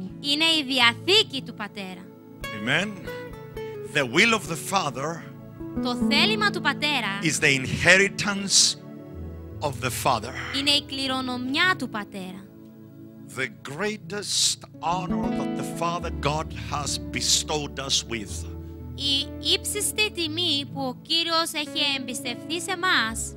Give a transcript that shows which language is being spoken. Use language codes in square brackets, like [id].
[el] Είναι η Διαθήκη του Πατέρα. [en] Amen. The will of the Father, [el] το θέλημα του Πατέρα, [en] is the inheritance of the Father. [el] Είναι η κληρονομιά του Πατέρα. [en] The greatest honor that the Father God has bestowed us with. [el] Η ύψιστη τιμή που ο Κύριος έχει εμπιστευθεί σε μας.